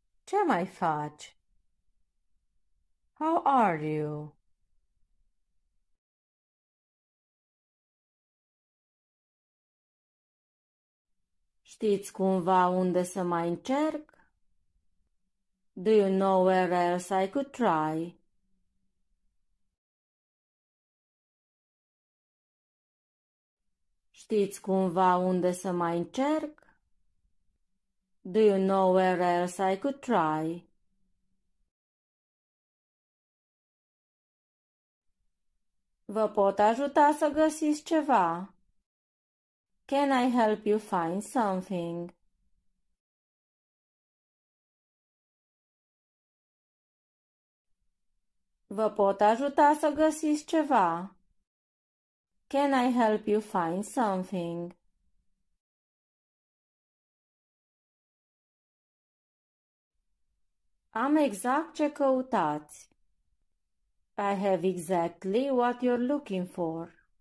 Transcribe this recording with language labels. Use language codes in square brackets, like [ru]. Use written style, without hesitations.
[ro] Ce mai faci? [en] How are you? [ro] Știți cumva unde să mai încerc? [en] Do you know where else I could try? [ro] Știți cumva unde să mai încerc? [en] Do you know where else I could try? [ro] Vă pot ajuta să găsiți ceva? [en] Can I help you find something? [ro] Vă pot ajuta să găsiți ceva? [en] Can I help you find something? [ro] Am exact ce căutați. [en] I have exactly what you're looking for.